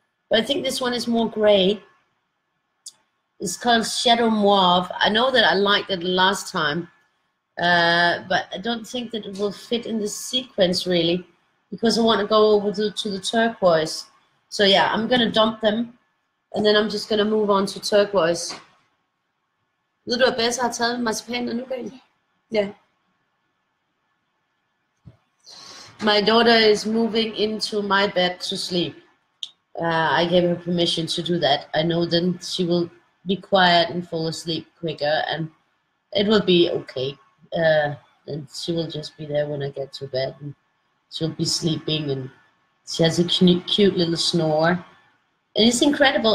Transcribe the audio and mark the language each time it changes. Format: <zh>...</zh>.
<en>But I think this one is more gray. It's called Shadow Mauve. I know that I liked it last time, but I don't think that it will fit in the sequence really, because I want to go over to the turquoise. So yeah, I'm going to dump them, and then I'm just going to move on to turquoise.</en> <da>Ved du, hvad Bessa har taget med marcipanen nu, Gail? Ja.</da> <en>My daughter is moving into my bed to sleep. I gave her permission to do that. I know then she will be quiet and fall asleep quicker, and it will be okay. And she will just be there when I get to bed. And she'll be sleeping, and she has a cute little snore. And it's incredible.</en>